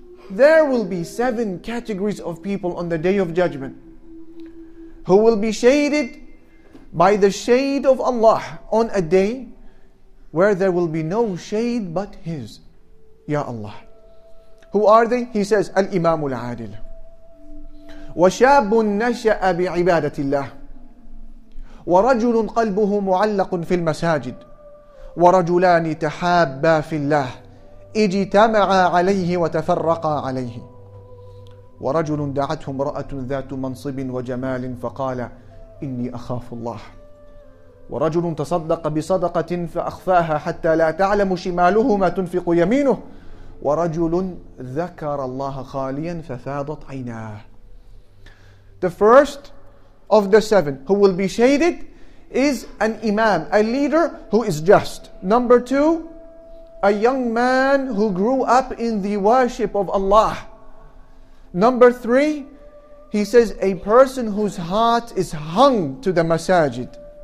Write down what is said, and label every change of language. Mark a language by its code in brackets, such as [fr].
[en] There will be seven categories of people on the Day of Judgment who will be shaded by the shade of Allah on a day where there will be no shade but His, Ya Allah. Who are they? He says, [ar] Al-Imam Al-Adil. وَشَابٌ نَشَأَ بِعِبَادَةِ اللَّهِ وَرَجُلٌ قَلْبُهُ مُعَلَّقٌ فِي الْمَسَاجِدِ وَرَجُلَانِ تَحَابَّا فِي اللَّهِ اجْتَمَعَا عَلَيْهِ وَتَفَرَّقَا عَلَيْهِ ورجل دعتهم امرأة ذات منصب وجمال فقال إني أخاف الله ورجل تصدق بصدقة فأخفاها حتى لا تعلم شماله ما تنفق يمينه ورجل ذكر الله خاليا ففاضت عيناه. [en] The first of the seven who will be shaded is an imam, a leader who is just. Number two, a young man who grew up in the worship of Allah. Number three, he says, a person whose heart is hung to the masajid.